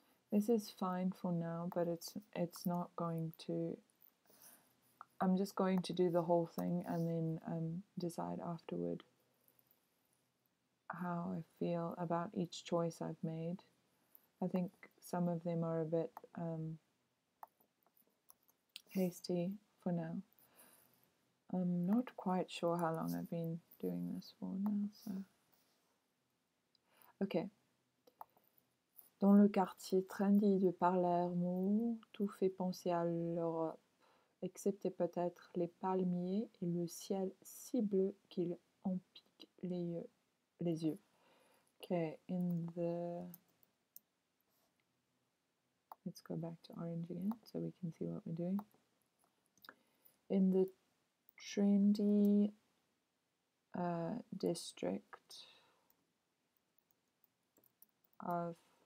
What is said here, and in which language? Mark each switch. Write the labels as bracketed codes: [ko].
[en] This is fine for now, but it's not going to, I'm just going to do the whole thing and then decide afterward how I feel about each choice I've made. I think some of them are a bit hasty for now. I'm not quite sure how long I've been doing this for now, so. Okay. [fr] Dans le quartier trendy de Palermo, tout fait penser à l'Europe, excepté peut-être les palmiers et le ciel si bleu qu'il en pique les yeux. [en] Okay, in the... Let's go back to orange again so we can see what we're doing. In the trendy district of...